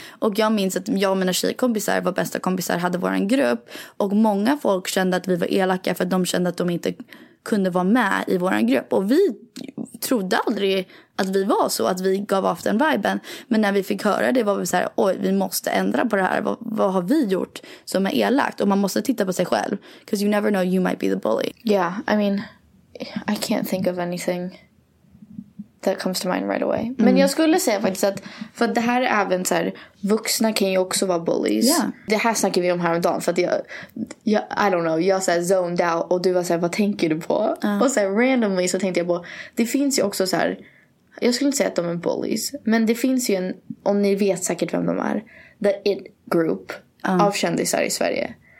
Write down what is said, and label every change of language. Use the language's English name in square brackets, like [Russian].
[Swedish] Och jag minns att jag och mina tjejkompisar var bästa kompisar, hade vår grupp, och många folk kände att vi var elaka för att de kände att de inte kunde vara med i vår grupp. Och vi trodde aldrig att vi var så, att vi gav av den viben. Men när vi fick höra det var vi så här: oj, vi måste ändra på det här. Vad har vi gjort som är elakt? Och man måste titta på sig själv. [English] Because you never know, you might be the bully. Yeah, I mean, I can't think of anything that comes to mind right away. [Swedish] Mm. Men jag skulle säga faktiskt att, för det här är även så här, vuxna kan ju också vara bullies. [English] Yeah. [Swedish] Det här snackar vi om häromdagen, för att jag [English] I don't know, [Swedish] jag så här [English] zoned out [Swedish] och du var så här: vad tänker du på? Och så här, randomly så tänkte jag på, det finns ju också så här, jag skulle inte säga att de är bullies, men det finns ju en, om ni vet säkert vem de är, the it group av kändisar i Sverige.